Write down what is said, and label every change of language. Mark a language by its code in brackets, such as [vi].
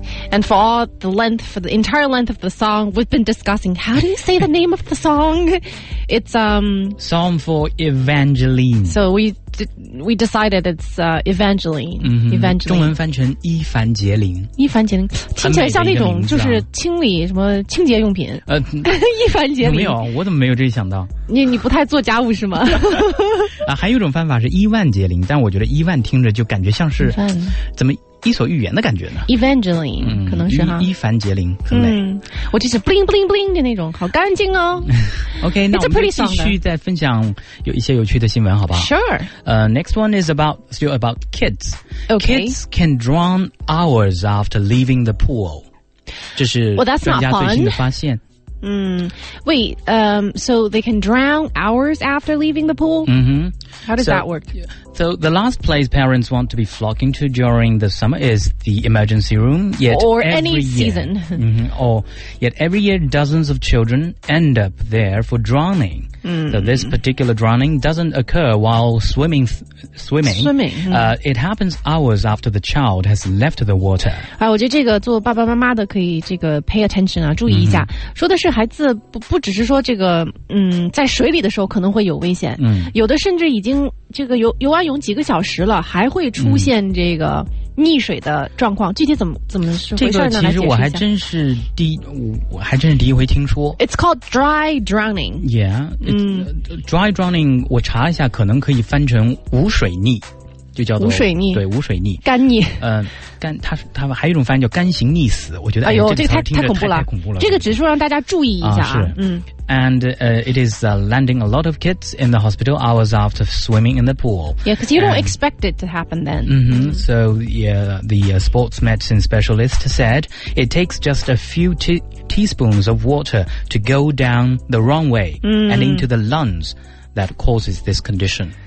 [en] And for all the length, for the entire length of the song, we've been discussing, how do you say the name of the song? It's, Song for Evangeline. So we decided it's, Evangeline. Mm-hmm. Evangeline. [zh] 中文翻成伊凡杰琳。伊凡杰琳。听起来像那种就是清理什么清洁用品。伊凡杰琳。没有，我怎么没有这想到？你不太做家务是吗？啊，还有一种方法是伊万杰琳，但我觉得伊万听着就感觉像是，怎么伊索寓言的感觉呢 [en] ？Evangeline，、嗯、 [zh] 可能是哈。伊凡杰琳，嗯，我就是 bling bling bling 的那种，好干净哦。 OK， 那我们继续再分享有一些有趣的新闻，好不好 [en] ？Sure。 Next one is about still about kids. OK， kids can drown hours after leaving the pool. [zh] 这是专家最新的发现。 [en] 嗯 ，Wait. So they can drown hours after leaving the pool. Mm-hmm. How does that work? So the last place parents want to be flocking to during the summer is the emergency room. Yet or any season. Mm-hmm. Or yet every year, dozens of children end up there for drowning. Mm-hmm. So this particular drowning doesn't occur while swimming. Swimming. It happens hours after the child has left the water. [zh] 啊，我觉得这个做爸爸妈妈的可以这个 [en] pay attention [zh] 啊，注意一下。 Mm-hmm. 说的是孩子不只是说这个，在水里的时候可能会有危险。嗯、mm-hmm. ，有的甚至已经这个游完泳几个小时了，还会出现这个溺水的状况。 Mm-hmm. 具体怎么是回事呢？这个其实我还真是第一回听说。 [en] It's called dry drowning. Yeah. Dry drowning， [zh] 我查一下，可能可以翻成无水溺，就叫做无水溺，对，无水溺，干溺，干，他还有一种翻译叫干型溺死，我觉得哎呦，这个太恐怖了，太恐怖了，这个只是说让大家注意一下啊，是，嗯。 [en] And it is landing a lot of kids in the hospital hours after swimming in the pool. Yeah, because you don't expect it to happen then. Mm-hmm. So yeah, the sports medicine specialist said it takes just a few teaspoons of water to go down the wrong way and into the lungs that causes this condition.